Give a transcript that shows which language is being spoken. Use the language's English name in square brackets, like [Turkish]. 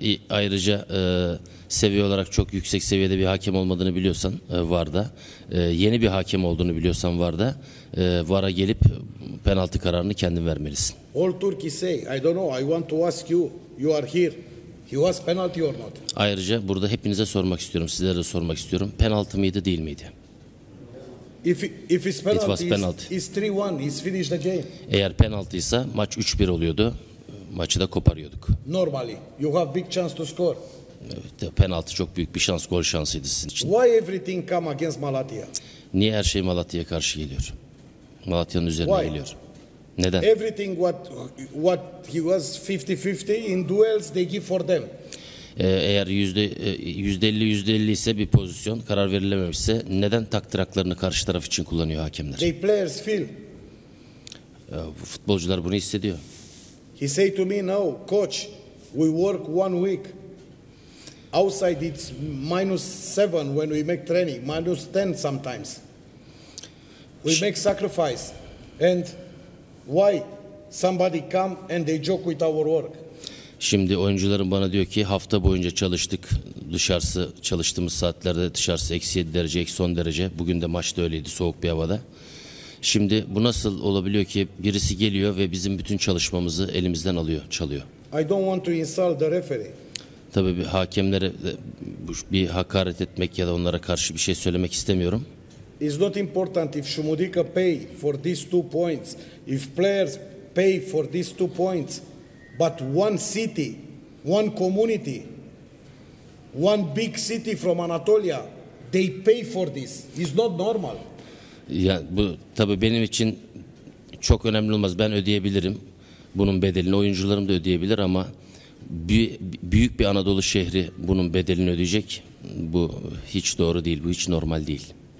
[Turkish] Ayrıca seviye olarak çok yüksek seviyede bir hakem olmadığını biliyorsan VAR'da, yeni bir hakem olduğunu biliyorsan VAR'da, VAR'a gelip penaltı kararını kendin vermelisin. [English] All Turkey say, I don't know, I want to ask you, you are here, he was penalty or not? [Turkish] Ayrıca burada hepinize sormak istiyorum, sizlere de sormak istiyorum, penaltı mıydı değil miydi? [English] If it's penalty, it was penalty. It's 3-1, it's finished the game. [Turkish] Eğer penaltıysa maç 3-1 oluyordu. Maçı da koparıyorduk. [English] Normally, you have big chance to score. [Turkish] Evet, penaltı çok büyük bir şans, gol şansıydı sizin için. [English] Why everything come against Malatya? [Turkish] Niye her şey Malatya'ya karşı geliyor? Malatya'nın üzerine [English] Why? [Turkish] Geliyor. Neden? [English] Everything what he was 50-50 in duels they give for them. [Turkish] Eğer %50-%50 ise bir pozisyon karar verilememişse neden taktiraklarını karşı taraf için kullanıyor hakemler? [English] They players feel. [Turkish] Futbolcular bunu hissediyor. [English] He say to me now, coach, we work one week. Outside it's -7 when we make training, -10 sometimes. We make sacrifice. And why somebody come and they joke with our work? [Turkish] Şimdi oyuncularım bana diyor ki hafta boyunca çalıştık. Dışarısı çalıştığımız saatlerde dışarısı -7 derece, -10 derece. Bugün de maçta öyleydi, soğuk bir havada. Şimdi bu nasıl olabiliyor ki birisi geliyor ve bizim bütün çalışmamızı elimizden alıyor, çalıyor. [English] I don't want to insult the referee. [Turkish] Tabii bir hakemlere bir hakaret etmek ya da onlara karşı bir şey söylemek istemiyorum. [English] It's not important if Shumudika pay for these 2 points, if players pay for these 2 points, but one city, one community, one big city from Anatolia, they pay for this. It's not normal. [Turkish] Ya yani bu tabii benim için çok önemli olmaz. Ben ödeyebilirim bunun bedelini. Oyuncularım da ödeyebilir ama büyük bir Anadolu şehri bunun bedelini ödeyecek. Bu hiç doğru değil. Bu hiç normal değil.